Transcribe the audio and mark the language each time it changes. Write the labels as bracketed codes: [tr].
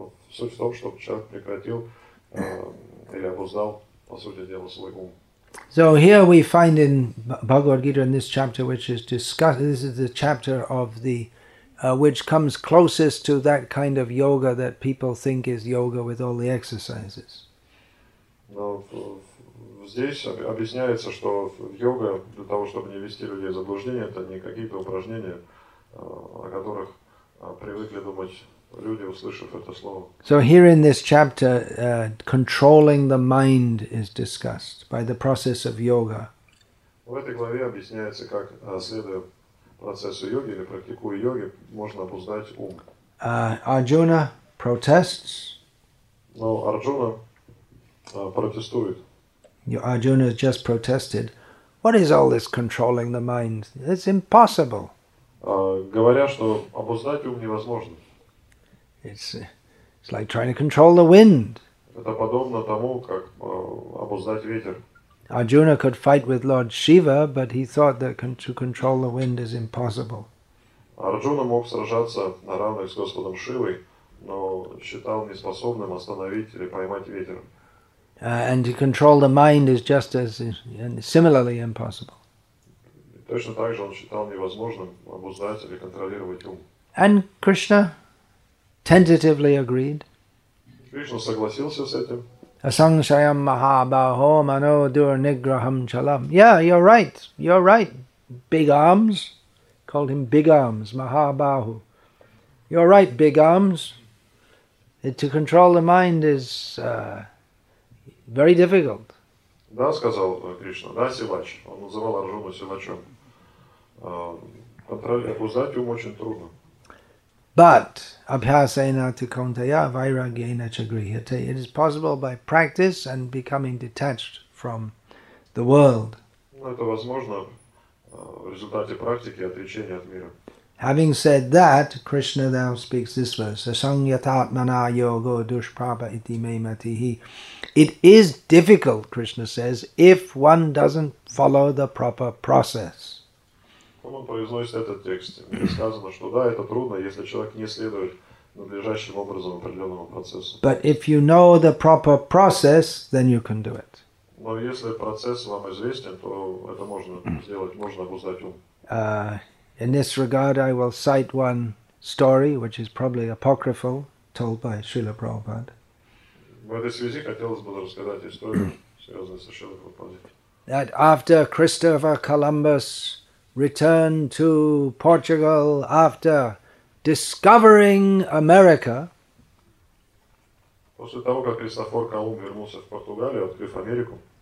[ru] Суть в том, чтобы человек прекратил или обуздал, по сути дела, свой ум. [en] So here we find in Bhagavad Gita in this chapter, which is discussed. This is the chapter of the, which comes closest to that kind of yoga that people think is yoga with all the exercises. [ru] Но здесь объясняется, что йога для того, чтобы не вести людей в заблуждение, это не какие-то упражнения, о которых привыкли думать люди, услышав это слово. [en] So here in this chapter, controlling the mind is discussed by the process of yoga. [ru] В этой главе объясняется, как, следуя процессу йоги или практикуя йоги, можно обуздать ум. [en] Arjuna protests. [ru] Но Арджуна протестует. [en] Arjuna just protested. What is all this controlling the mind? It's impossible. [ru] Говоря, что обуздать ум невозможно. [en] It's like trying to control the wind. [ru] Это подобно тому, как обуздать ветер. [en] Arjuna could fight with Lord Shiva, but he thought that to control the wind is impossible. [ru] Arjuna мог сражаться на равных с Господом Шивой, но считал неспособным остановить или поймать ветер. [en] And to control the mind is just as similarly impossible. [ru] Точно так же он считал невозможным обуздать или контролировать ум. [en] And Krishna tentatively agreed. [ru] Кришна согласился с этим. [sa] Asangshayam mahabaho mano dur nigraham chalam. [en] Yeah, you're right. You're right. Big arms. Called him Big Arms, Mahabahu. You're right, Big Arms. To control the mind is very difficult. [ru] Да, сказал Кришна. Да, Сивач. Он называл Арджуну Сивачом. Обуздать ум очень трудно. [sa] But abhyasena tu kaunteya vairagyena cha grihyate. [en] It is possible by practice and becoming detached from the world. [ru] Это возможно в результате практики отречения от мира. [en] Having said that, Krishna now speaks this verse: [sa] asangyatatmana yogo dushprapa iti me matihi. [en] It is difficult, Krishna says, if one doesn't follow the proper process. [ru] Он произносит этот текст. Мне сказано, что да, это трудно, если человек не следует надлежащим образом определенному процессу. [en] But if you know the proper process, then you can do it. [ru] Но если процесс вам известен, то это можно сделать, можно обуздать ум. [en] In this regard, I will cite one story, which is probably apocryphal, told by Srila Prabhupada. [ru] В этой связи хотелось бы рассказать историю, связанную со Шрилой Прабхупадой. [en] That after Christopher Columbus return to Portugal after discovering America. [ru] После того, как Кристофор Колумб вернулся в Португалию, открыв Америку,